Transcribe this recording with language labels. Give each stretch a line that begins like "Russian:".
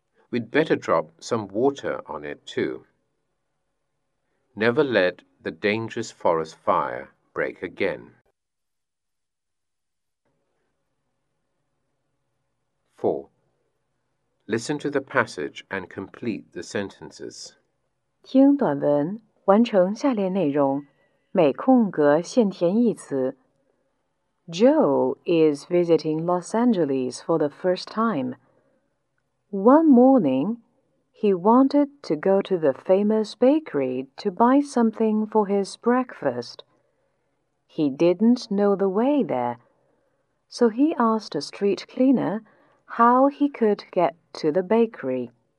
English: We'd better drop some water on it too. Never let the dangerous forest fire break again. Four. Listen to the passage and complete the sentences.
Chinese: 听短文，完成下列内容，每空格限填一词。
English: Joe is visiting Los Angeles for the first time. One morning, he wanted to go to the famous bakery to buy something for his breakfast. He didn't know the way there, so he asked a street cleaner how he could get to the bakery.